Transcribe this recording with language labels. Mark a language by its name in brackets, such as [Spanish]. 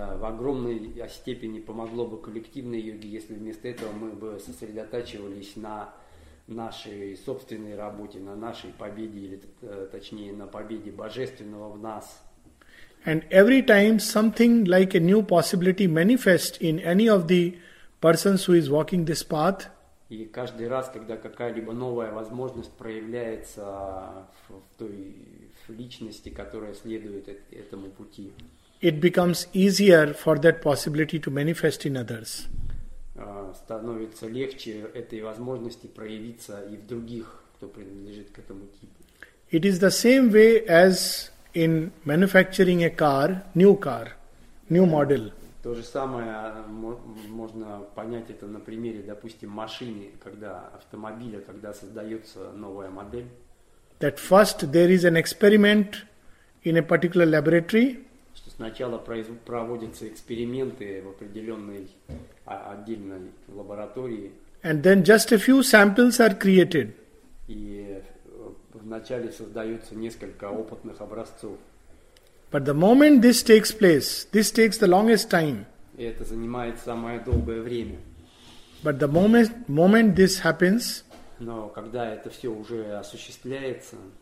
[Russian] В огромной степени помогло бы коллективной йоге, если вместо этого мы бы сосредотачивались на нашей собственной работе, на нашей победе, или точнее на победе божественного в нас. [English] And every time something like a new possibility manifests in any of the persons who is walking this path, [Russian] и каждый раз, когда какая-либо новая возможность проявляется в той личности, которая следует этому пути, [English] it becomes easier for that possibility to manifest in others. [Russian] Становится легче этой возможности проявиться и в других, кто принадлежит к этому типу. [English] It is the same way as in manufacturing a car, new car, new model. [Russian] То же самое можно понять это на примере, допустим, машины, когда автомобиля, когда создается новая модель. [English] That first there is an experiment in a particular laboratory. [Russian] Что сначала проводятся эксперименты в определенной отдельной лаборатории. [English] And then just a few samples are created. [Russian] И вначале создаются несколько опытных образцов. [English] But the moment this takes place, this takes the longest time. [Russian] И это занимает самое долгое время. [English] But the moment this happens, [Russian] но когда это все уже осуществляется,